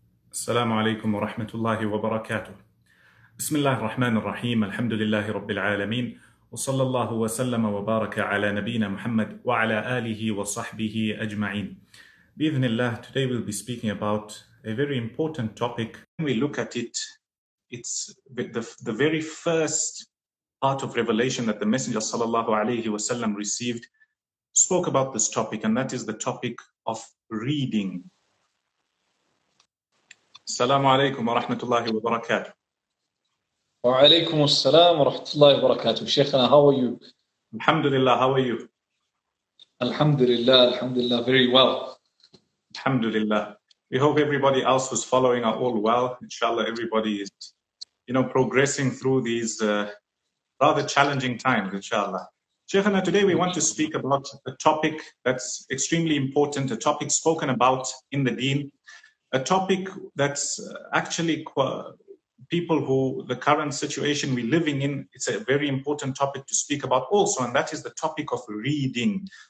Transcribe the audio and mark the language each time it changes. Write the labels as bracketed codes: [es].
[ar] السلام عليكم ورحمة الله وبركاته. بسم الله الرحمن الرحيم، الحمد لله رب العالمين، وصلى الله وسلم وبارك على نبينا محمد وعلى آله وصحبه أجمعين. بإذن الله، [en] today we'll be speaking about a very important topic. When we look at it, it's the very first part of revelation that the Messenger [ar] صلى الله عليه وسلم [en] received spoke about this topic, and that is the topic of reading. [ar] السلام عليكم ورحمة الله وبركاته. وعليكم السلام ورحمة الله وبركاته. شيخنا, [en] how are you? [ar] الحمد لله, [en] how are you? [ar] الحمد لله, الحمد لله, [en] very well. [ar] الحمد لله. [en] We hope everybody else who's following are all well. Inshallah, everybody is, you know, progressing through these rather challenging times, inshallah. Shaykhana, today we want to speak about a topic that's extremely important, a topic spoken about in the deen, a topic that's actually people who, the current situation we're living in, it's a very important topic to speak about also, and that is the topic of reading.